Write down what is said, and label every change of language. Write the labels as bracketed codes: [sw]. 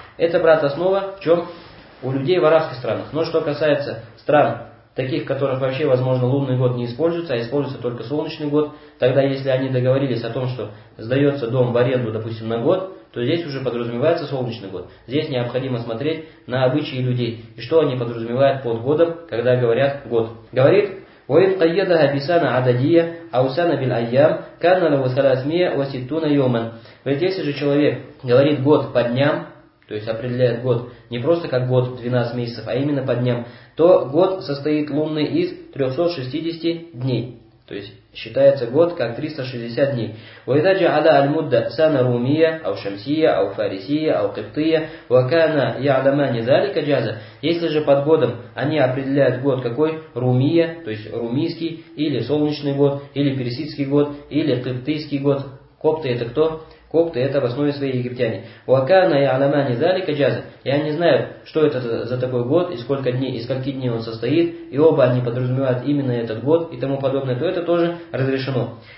[ru] Это, брат, основа, в чем? У людей в арабских странах. Но что касается стран, таких, в которых вообще, возможно, лунный год не используется, а используется только солнечный год, тогда, если они договорились о том, что сдается дом в аренду, допустим, на год, то здесь уже подразумевается солнечный год. Здесь необходимо смотреть на обычаи людей, и что они подразумевают под годом, когда говорят год. Говорит... [ar] وإن قيدها بسنة عددية أو سنة بالأيام كان له 360 يوما. [ru] Ведь если же человек говорит год по дням, то есть определяет год не просто как год 12 месяцев, а именно по дням, то год состоит лунный из 360 дней. То есть считается год как 360 дней. [ar] وإذا جعل المدة سنة رومية أو شمسية أو فارسية أو قبطية وكان يعلمان ذلك جاز. [ru] Если же под годом они определяют год какой? Румия, то есть румийский, или солнечный год, или персидский год, или кыптийский год. Копты это кто? Копты это в основе своей египтяне. [ar] Уакана и аламани залика джаза. [ru] И они знают, что это за такой год, и сколько дней, и скольки дней он состоит, и оба они подразумевают именно этот год и тому подобное, то это тоже разрешено.